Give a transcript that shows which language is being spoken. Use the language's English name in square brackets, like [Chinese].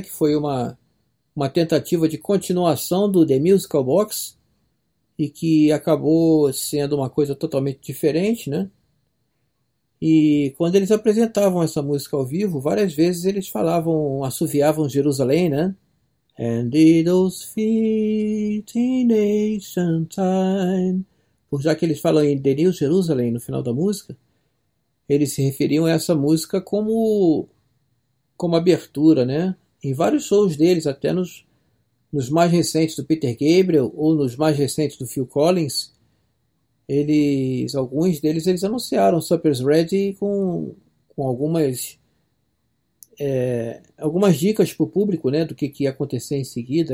[Portuguese] Que foi uma tentativa de continuação do The Musical Box, e que acabou sendo uma coisa totalmente diferente, né? E quando eles apresentavam essa música ao vivo, várias vezes eles falavam, assoviavam Jerusalém, né? [English] And Idol's feet in ancient time. [Portuguese] Por já que eles falam em The New Jerusalem no final da música, eles se referiam a essa música como abertura, né? Em vários shows deles, até nos mais recentes do Peter Gabriel ou nos mais recentes do Phil Collins, alguns deles anunciaram Supper's Ready com algumas dicas para o público, né, do que ia acontecer em seguida.